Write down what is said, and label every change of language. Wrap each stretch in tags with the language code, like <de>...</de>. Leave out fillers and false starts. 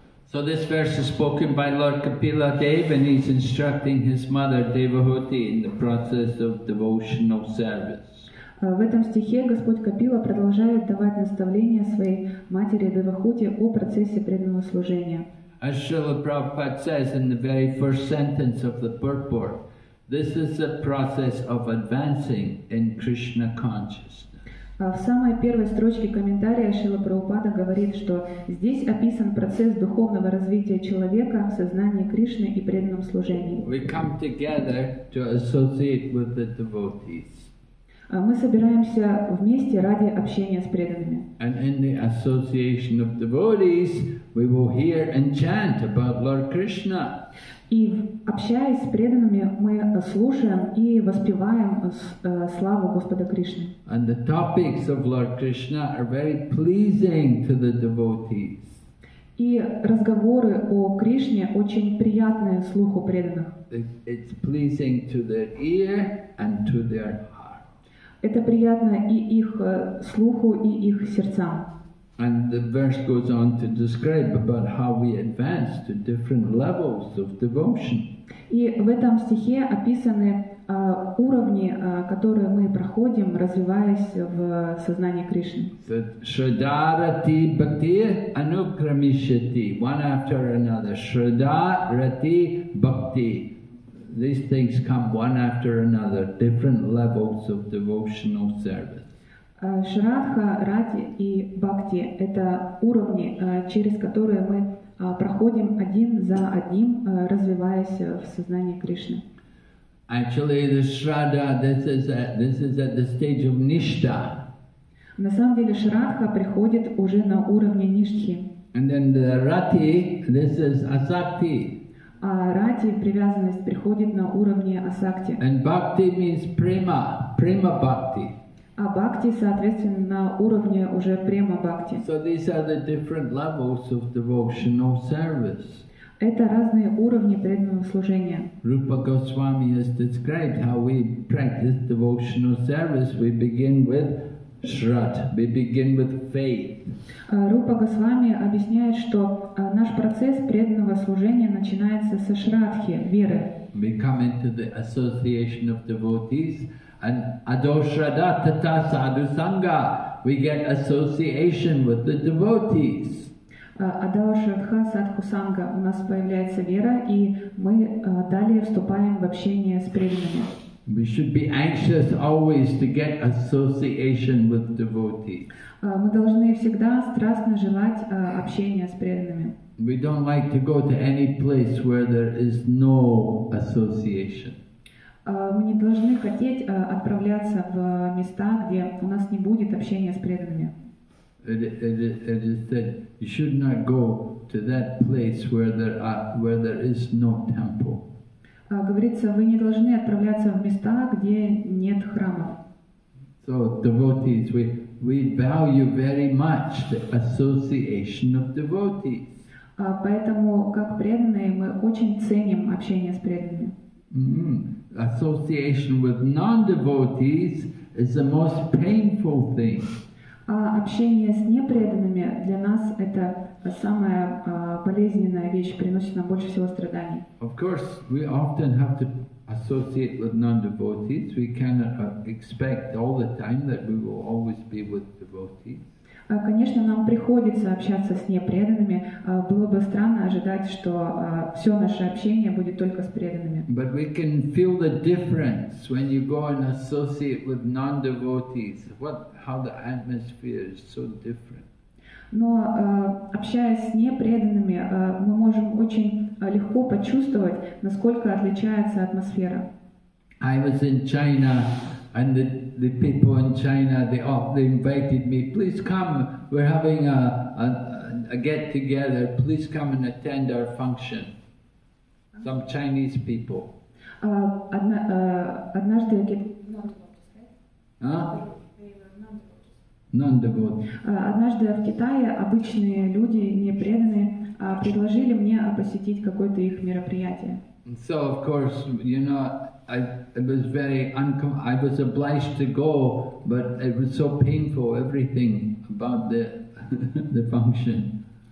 <en>So this verse is spoken by Lord Kapila Dev, and he's instructing his mother Devahuti in the process of devotional service.</en> <ru>В этом стихе Господь Капила продолжает давать наставления своей матери Девахути о процессе преданного служения.</ru> <en>As Srila Prabhupada says in the very first sentence of the purport, this is a process of advancing in Krishna consciousness.</en> <ru>В самой первой строчке комментария Шрила Прабхупада говорит, что здесь описан процесс духовного развития человека в сознании Кришны и преданном служении.</ru> <en>We come together to associate with the devotees.</en> <ru>Мы собираемся вместе ради общения с преданными.</ru> <en>And in the association of devotees, we will hear and chant about Lord Krishna.</en> <ru>И общаясь с преданными, мы слушаем и воспеваем славу Господа Кришны.</ru> <en>And the topics of Lord Krishna are very pleasing to the devotees.</en> <ru>И разговоры о Кришне очень приятные слуху преданных.</ru> <en>It's pleasing to their ear and to their heart.</en> <ru>Это приятно и их слуху, и их сердцам.</ru> <en>And the verse goes on to describe about how we advance to different levels of devotion.</en> <ru>И в этом стихе описаны уровни, которые мы проходим, развиваясь в сознании Кришны.</ru> <sa>Shraddharati bhakti anukramishati,</sa> <en>one after another.</en> <sa>Shraddharati bhakti.</sa> <en>These things come one after another, different levels of devotional service.</en> <ru>Шрадха, рати и бхакти — это уровни, через которые мы проходим один за одним, развиваясь в сознании Кришны.</ru> <en>Actually, the Shraddha, this is at the stage of Nishtha.</en> <ru>На самом деле, Шрадха приходит уже на уровне Ништхи.</ru> <en>And then the рати, this is Asakti.</en> <ru>А рати, привязанность, приходит на уровне асакти.</ru> <en>And bhakti means prema, prema bhakti.</en> <ru>А бхакти, соответственно, на уровне уже према бхакти.</ru> <en>So these are the different levels of devotional service.</en> <ru>Это разные уровни преданного служения.</ru> <en>Rupa Goswami has described how we practice devotional service. We begin with Shrad, we begin with faith.</en> <ru>Рупа Госвами объясняет, что наш процесс преданного служения начинается со шрадхи, веры.</ru> <en>We come into the association of devotees and</en> <sa>adoshrada tata sadhu sangha.</sa> <en>We get association with the devotees.</en> <sa>Адошрадха садху санга.</sa> <ru>У нас появляется вера, и мы далее вступаем в общение с преданными.</ru> <en>We should be anxious always to get association with devotees.</en> <ru>Мы должны всегда страстно желать общения с преданными.</ru> <en>We don't like to go to any place where there is no association.</en> <ru>Мы не должны хотеть отправляться в места, где у нас не будет общения с преданными.</ru> <en>It is said you should not go to that place where there is no temple.</en> <ru>Говорится, вы не должны отправляться в места, где нет храма.</ru> <en>So, devotees, we value very much the association of devotees.</en> <ru>Поэтому, как преданные, мы очень ценим общение с преданными. Mm-hmm.</ru> <en>Association with non-devotees is the most painful thing.</en> <ru>Общение с непреданными для нас это самая болезненная вещь, приносит нам больше всего страданий.</ru> <en>Of course, we often have to associate with non-devotees. We cannot expect all the time that we will always be with devotees.</en> <ru>Конечно, нам приходится общаться с непреданными. Было бы странно ожидать, что все наше общение будет только с преданными.</ru> <en>But we can feel the difference when you go and associate with non-devotees. How the atmosphere is so different.</en> <ru>Но общаясь с непреданными, мы можем очень легко почувствовать, насколько отличается атмосфера.</ru> <en>I was in China. And the people in China, they invited me, please come, we're having a get together, please come and attend our function. Some Chinese people.</en> <ru>Однажды,</ru> <en>not about to say. Huh? They were not about to</en> <ru>Однажды в Китае обычные люди, не преданные, предложили мне посетить какое-то их мероприятие.</ru> <en>So of course, you know, I was obliged to go, but it was so painful, everything about the function.</en>